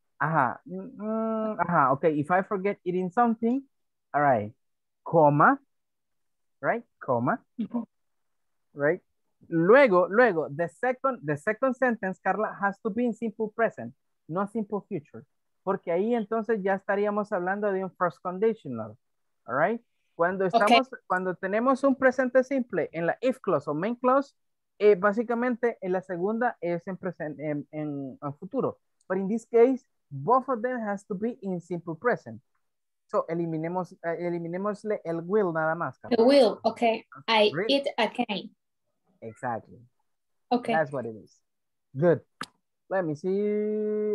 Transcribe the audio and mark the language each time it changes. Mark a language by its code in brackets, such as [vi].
[en] Aha. Aha. Okay. If I forget eating something, all right. Comma. Right? Comma. Right? Luego, the second sentence, Carla, has to be in simple present, not simple future. [es] Porque ahí entonces ya estaríamos hablando de un first conditional. All right? Cuando tenemos un presente simple en la if clause o main clause, básicamente en la segunda es en presente, en futuro. [en] But in this case, both of them has to be in simple present. [es] So eliminémosle el will nada más. [en] The will, okay. I eat again. Exactly. Okay. That's what it is. Good. Let me see.